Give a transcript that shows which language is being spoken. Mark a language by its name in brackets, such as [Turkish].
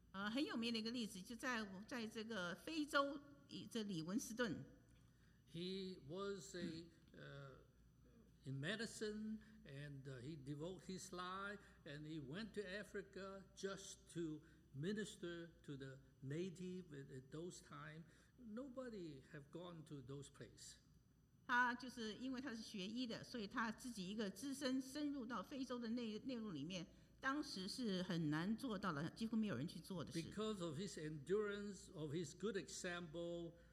[Chinese] 很有名的一个例子，就在这个非洲，这李文斯顿。 [English] He was in medicine, and he devoted his life, and he went to Africa just to minister to the native at those times. Nobody have gone to those places. [Chinese] 他就是因为他是学医的，所以他自己一个资深深入到非洲的内陆里面，当时是很难做到的，几乎没有人去做的事。 [English] Because of his endurance, of his good example,